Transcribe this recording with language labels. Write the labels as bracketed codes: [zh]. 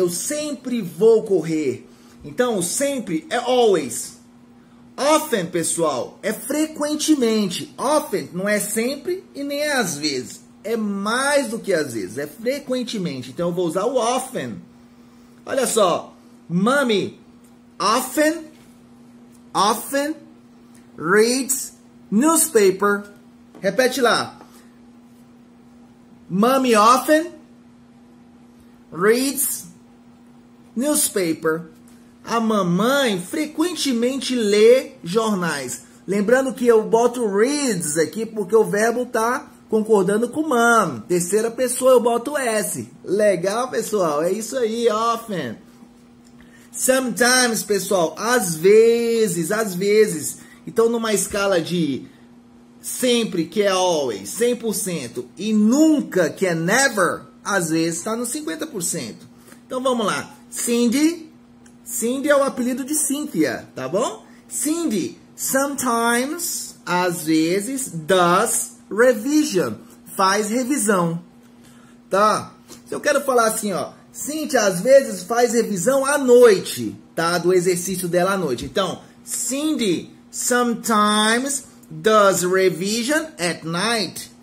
[pt] Eu sempre vou correr. Então, o sempre é always. Often, pessoal, é frequentemente. Often não é sempre e nem é às vezes. É mais do que às vezes, é frequentemente. Então, eu vou usar o often. Olha só, [en] mommy often reads newspaper. [pt] Repete lá. [en] Mommy often reads newspaper. [pt] A mamãe frequentemente lê jornais. Lembrando que eu boto reads aqui porque o verbo tá concordando com mom. Terceira pessoa eu boto S. Legal, pessoal? É isso aí, often. Sometimes, pessoal. Às vezes. Então, numa escala de sempre, que é always, 100%, e nunca, que é never, às vezes está no 50%. Então, vamos lá. Cindy é o apelido de Cynthia, tá bom? Cindy, sometimes, às vezes, [en] does revision, [pt] faz revisão, tá? Se eu quero falar assim, ó, Cynthia, às vezes, faz revisão à noite, tá? Do exercício dela à noite. [en] Então, Cindy, sometimes, does revision at night.